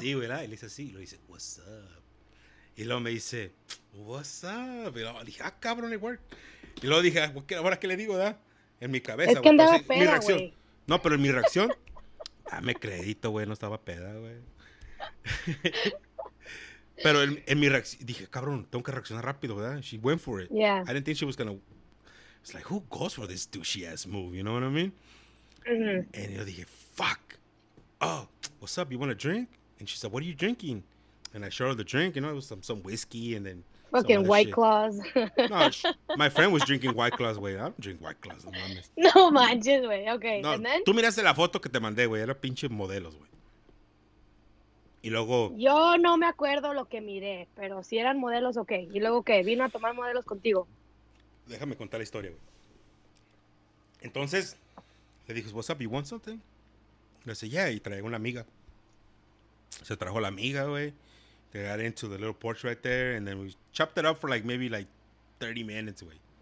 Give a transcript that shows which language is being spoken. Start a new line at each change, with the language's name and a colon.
Spanish: Sí, güey, y le hice así, y luego le dice,
English: what's up.
Spanish: Y luego me dice, what's up? Y luego dije, ah, cabrón, igual. Y luego dije, ¿ahora qué le digo, da? En mi cabeza. Es que andaba peda, mi reacción. No, pero en mi reacción, dame crédito, güey, no estaba peda, güey. Pero en mi reacción, dije, cabrón, tengo que reaccionar rápido, ¿verdad?
English: She went for it. Yeah. I didn't think she was gonna. It's like, who goes for this douchey-ass move, you know what I mean? Mm-hmm. And
Spanish: yo dije,
English: fuck. Oh, what's up, you want a drink? And she said, what are you drinking? And I showed her the drink, you know, it was some whiskey and then fucking White shit. Claws. No, my friend was drinking White Claws, güey. I don't drink White Claws,
Spanish: no mames. No manches, güey. Okay, no, and then? Tú miraste la foto que te mandé, güey. Era pinche modelos, güey. Y luego... Yo no me acuerdo lo que miré, pero si eran modelos, okay. Y luego, ¿qué? Vino a tomar modelos contigo. Déjame contar la historia, güey. Entonces, le dije,
English: what's up, you want something?
Spanish: Le dije,
English: yeah,
Spanish: y traigo una amiga. Se trajo la amiga, güey.
English: They got into the little porch right there, and then we chopped it up for like maybe like 30 minutes, way.